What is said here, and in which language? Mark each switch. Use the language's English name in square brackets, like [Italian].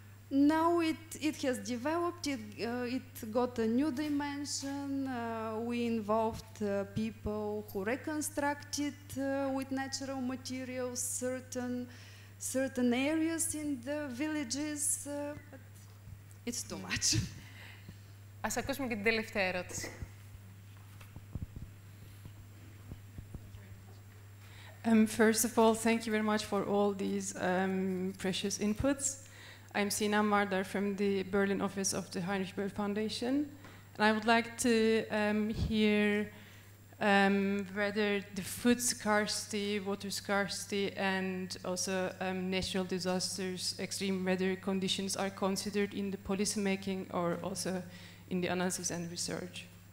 [English] Now it has developed, it got a new dimension. We involved people who reconstructed with natural materials certain areas in the villages. But it's too much. [Greek] Ας ακούσουμε και την τελευταία ερώτηση. [English] First of all, thank you very much for all these precious inputs. I'm Sina Mardar from the Berlin office of the Heinrich Böll Foundation. And I would like to hear whether the food scarcity, water scarcity, and also natural disasters, extreme weather conditions are considered in the policy making or also in the analysis and research.